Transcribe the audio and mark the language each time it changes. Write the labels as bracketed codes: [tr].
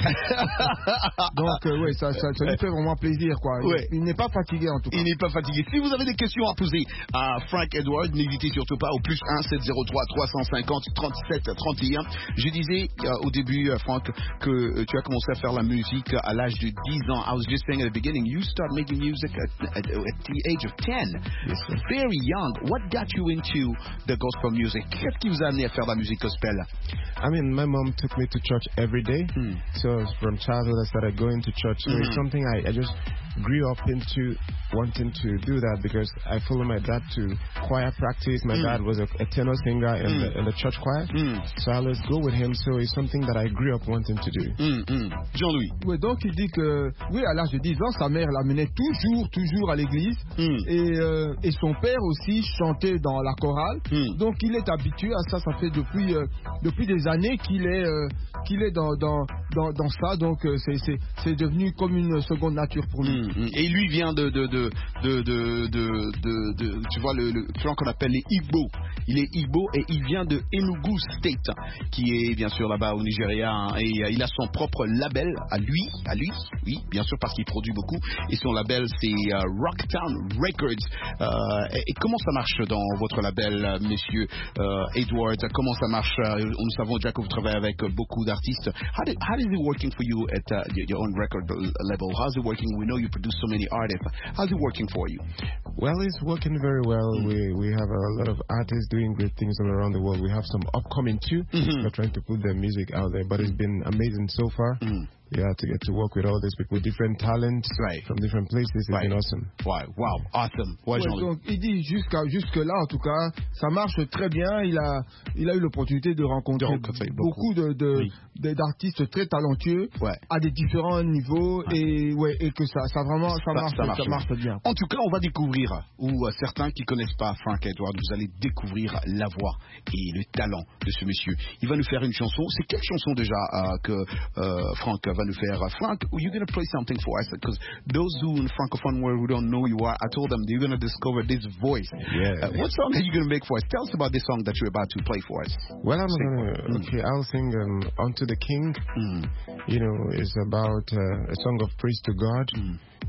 [fr] Donc, oui, ça lui fait vraiment plaisir, quoi. Ouais. Il n'est pas fatigué, en tout cas. Il n'est pas fatigué. Si vous avez des questions à poser à Frank Edward, n'hésitez surtout pas au plus 1-703-350-37-31. Je disais au début, Frank, que tu as commencé à faire la musique à l'âge de 10 ans. [en] I was just saying at the beginning, you start making music at the age of 10. Yes, sir. Very young. What got you into the gospel music? [fr] Qu'est-ce qui vous a amené à faire la musique gospel? [en] I mean, my mom took me to church every day. So from childhood, I started going to church. So it's something I just grew up into wanting to do that because I follow my dad to choir practice. My dad was a tenor singer in the church choir. So I always go with him. So it's something that I grew up wanting to do. [fr] Jean-Louis. Oui, donc il dit que, oui, à l'âge de 10 ans, sa mère l'amenait toujours à l'église. Et son père aussi chantait dans la chorale. Donc il est habitué à ça. Ça fait depuis des années qu'il est dans ça, donc c'est devenu comme une seconde nature pour lui. Et lui vient de tu vois le clan qu'on appelle les Igbo. Il est Igbo et il vient de Enugu State, qui est bien sûr là-bas au Nigeria, hein, et il a son propre label à lui, oui, bien sûr, parce qu'il produit beaucoup, et son label c'est Rocktown Records. Et comment ça marche dans votre label, monsieur Edward? Comment ça marche? Nous savons déjà que vous travaillez avec beaucoup d'artistes. [en] How is it working for you at your own record label? How's it working? We know you produce so many artists. How's it working for you? Well, it's working very well. We have a lot of artists doing great things all around the world. We have some upcoming too. They're trying to put their music out there, but it's been amazing so far. Yeah, to get to work with all these people with different talents, right, from different places, it's right, been awesome. Wow, awesome. Ouais, [fr] ouais, donc, il dit jusque-là, en tout cas, ça marche très bien. Il a eu l'opportunité de rencontrer beaucoup d'artistes très talentueux, ouais, à des différents niveaux, et que ça marche bien. En tout cas, on va découvrir, ou certains qui ne connaissent pas Frank Edward, vous allez découvrir la voix et le talent de ce monsieur. Il va nous faire une chanson. C'est quelle chanson déjà que Frank va nous faire? [en] Frank, are you going to play something for us? Because those who in francophone world who don't know you are, I told them they're going to discover this voice. Yeah. What song are you going to make for us? Tell us about this song that you're about to play for us. Well, I'm going to, I'll sing Unto the King. You know, it's about a song of praise to God.